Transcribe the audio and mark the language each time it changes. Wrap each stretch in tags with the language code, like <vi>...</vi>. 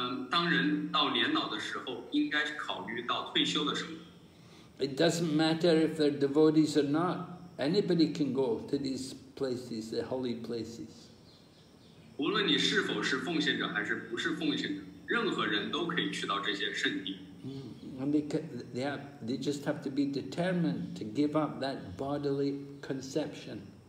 <zh>当人到年老的时候，应该是考虑到退休的时候。</zh> <en>It doesn't matter if they're devotees or not. Anybody can go to these places, the holy places.</en> <zh>无论你是否是奉献者还是不是奉献者，任何人都可以去到这些圣地。</zh> <en>They just have to be determined to give up that bodily conception.</en>